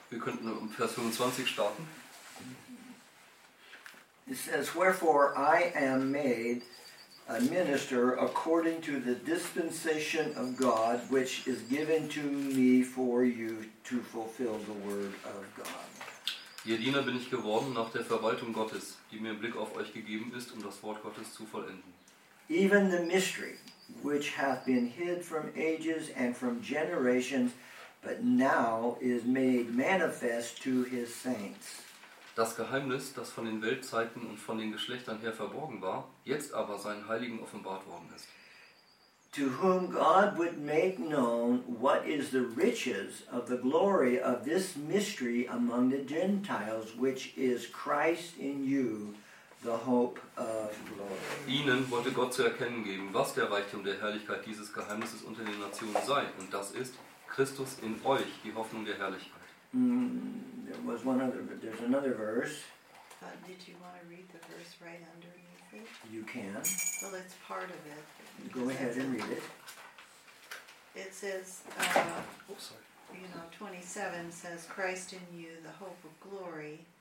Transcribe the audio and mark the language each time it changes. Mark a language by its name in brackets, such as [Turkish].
[German] Wir könnten Vers 25 starten. [English] It says, wherefore I am made a minister according to the dispensation of God, which is given to me for you to fulfill the word of God. [German] Ihr Diener bin ich geworden nach der Verwaltung Gottes, die mir im Blick auf euch gegeben ist, um das Wort Gottes zu vollenden. [English] Even the mystery, which hath been hid from ages and from generations, but now is made manifest to his saints. [German] Das Geheimnis, das von den Weltzeiten und von den Geschlechtern her verborgen war, jetzt aber seinen Heiligen offenbart worden ist. [English] To whom God would make known what is the riches of the glory of this mystery among the Gentiles, which is Christ in you, the hope of glory. [German] Ihnen wollte Gott zu erkennen geben, was der Reichtum der Herrlichkeit dieses Geheimnisses unter den Nationen sei, und das ist Christus in euch, die Hoffnung der Herrlichkeit. [English] There was one other, but there's another verse. Did you want to read the verse right underneath it? You can. Well, it's part of it. Go ahead and read it. It says, 27 says, Christ in you, the hope of glory.